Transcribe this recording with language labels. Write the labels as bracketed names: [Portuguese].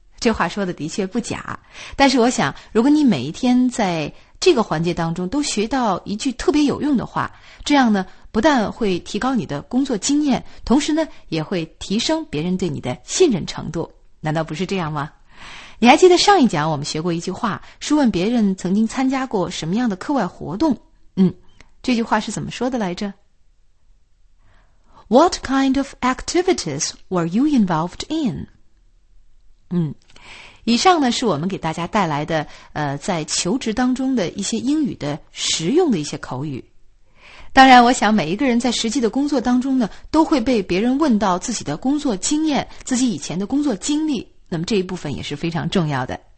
[Chinese] 这话说的的确不假，但是我想如果你每一天在这个环节当中都学到一句特别有用的话，这样呢不但会提高你的工作经验，同时呢也会提升别人对你的信任程度，难道不是这样吗？你还记得上一讲我们学过一句话，是问别人曾经参加过什么样的课外活动。这句话是怎么说的来着？ [English] What kind of activities were you involved in? [Chinese] 以上呢是我们给大家带来的在求职当中的一些英语的实用的一些口语。当然我想每一个人在实际的工作当中呢都会被别人问到自己的工作经验，自己以前的工作经历，那么这一部分也是非常重要的。